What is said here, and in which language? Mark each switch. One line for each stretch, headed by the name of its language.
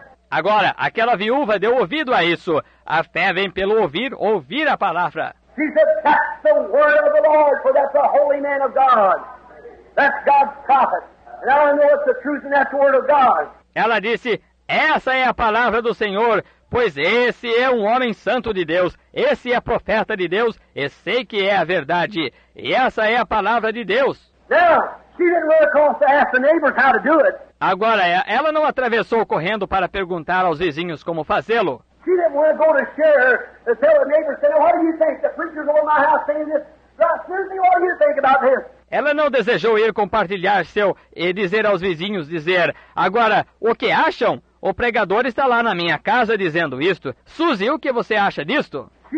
Portuguese: Agora, aquela viúva deu ouvido a isso. A fé vem pelo ouvir, ouvir a palavra.
English: She said, that's the word of the Lord, for that's a holy man of God. That's God's prophet. And I know it's the truth in that word of God.
Portuguese: Ela disse, essa é a palavra do Senhor. Pois esse é um homem santo de Deus, esse é profeta de Deus, e sei que é a verdade, e essa é a palavra de Deus.
English: Now, she didn't run across to ask the neighbors how to do it.
Portuguese: Agora, ela não atravessou correndo para perguntar aos vizinhos como fazê-lo.
English: She didn't want to go to share and tell the neighbors, say, what do you think? The preacher's over my house saying this. Seriously, what do you think about this?
Portuguese: Ela não desejou ir compartilhar seu e dizer aos vizinhos, dizer, agora, o que acham? O pregador está lá na minha casa dizendo isto. Suzy, o que você acha disto?